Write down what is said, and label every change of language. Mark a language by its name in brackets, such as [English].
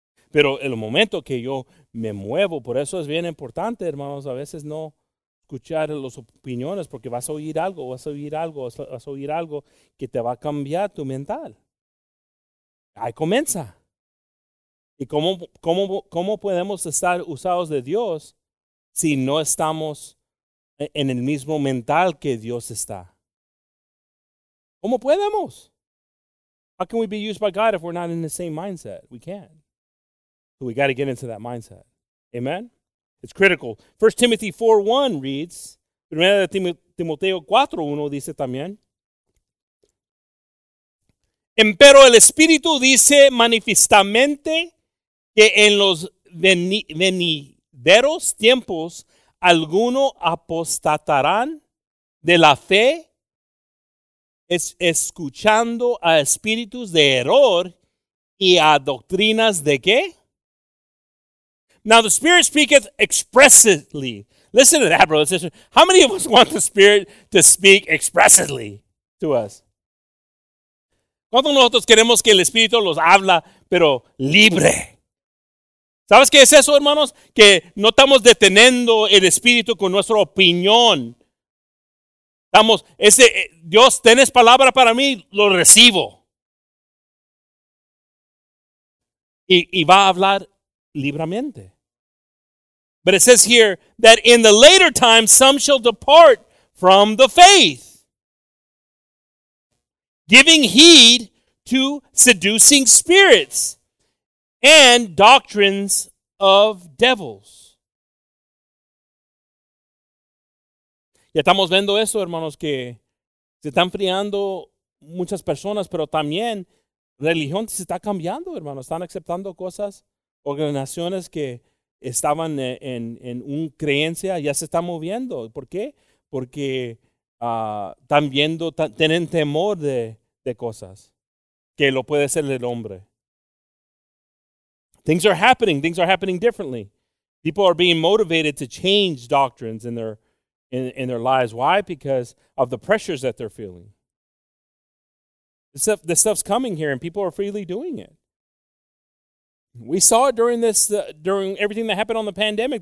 [Spanish] Pero el momento que yo me muevo, por eso es bien importante, hermanos, a veces no escuchar las opiniones, porque vas a oír algo que te va a cambiar tu mental. Ahí comienza. ¿Y cómo podemos estar usados de Dios si no estamos en el mismo mental que Dios está? ¿Cómo podemos? [English] How can we be used by God if we're not in the same mindset? We can't. So we got to get into that mindset. Amen? It's critical. 1 Timothy 4:1 reads, [Spanish] 1 Timoteo 4:1 dice también, empero el Espíritu dice manifiestamente que en los venideros tiempos algunos apostatarán de la fe escuchando a espíritus de error y a doctrinas de qué? [English] Now the Spirit speaketh expressly. Listen to that, brothers and sisters. How many of us want the Spirit to speak expressly to us? [Spanish] ¿Cuántos nosotros queremos que el Espíritu los habla, pero libre? ¿Sabes qué es eso, hermanos? Que no estamos deteniendo el Espíritu con nuestra opinión. Estamos, Dios, tienes palabra para mí, lo recibo. Y va a hablar libremente. [English] But it says here that in the later times, some shall depart from the faith, giving heed to seducing spirits and doctrines of devils. [Spanish] Ya estamos viendo eso, hermanos, que se están friando muchas personas, pero también religión se está cambiando, hermanos. Están aceptando cosas, organizaciones que estaban en un creencia, ya se están moviendo. ¿Por qué? Porque están viendo, tienen temor de cosas. Que lo puede ser el hombre. [English] Things are happening. Things are happening differently. People are being motivated to change doctrines in their lives. Why? Because of the pressures that they're feeling. This stuff's coming here, and people are freely doing it. We saw it during this, during everything that happened on the pandemic.